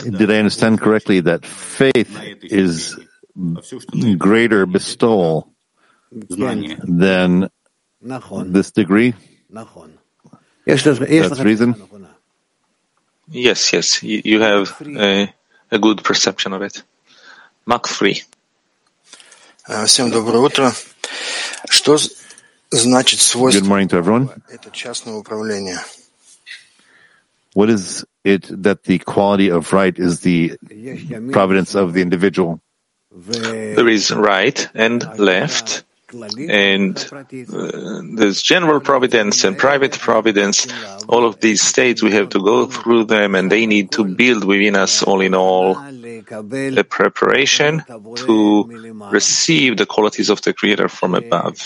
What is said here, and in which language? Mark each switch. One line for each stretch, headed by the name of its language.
English: Did I understand correctly that faith is greater bestowal then this degree? That's reason? Yes, yes, you have a good perception of it. Mark 3.
Russian: Всем доброе утро. Что значит свойство это частного управления?
English: What is it that the quality of right is the providence of the individual? There is right and left, and there's general providence and private providence. All of these states, we have to go through them, and they need to build within us, all in all, the preparation to receive the qualities of the Creator from above.